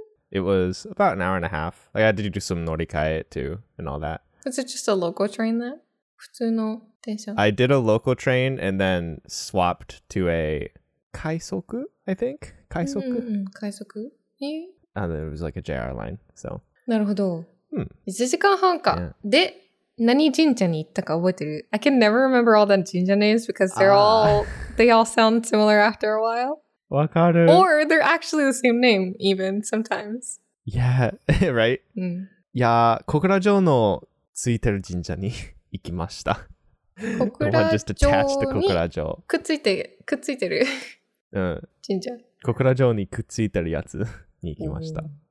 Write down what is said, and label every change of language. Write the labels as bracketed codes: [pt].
[en] It was about an hour and a half. Like, I had to do some 乗り換え too, and all that. Is it just a local train then? [ja] 普通の電車? [en] I did a local train and then swapped to a 快速, I think? [ja] 快速? うん、快速? [en] And it was like a JR line, so. [ja] なるほど。1時間半か。で、何神社に行ったか覚えてる? [en] I can never remember all the 神社 names because they all sound similar after a while. [ja] わかる。 [en] Or they're actually the same name, even, sometimes. Yeah, right?、 [ja] うん、いや、小倉城のついてる神社に行きました。小倉城にくっついて、くっついてる、うん、神社。小倉城にくっついてるやつに行きました。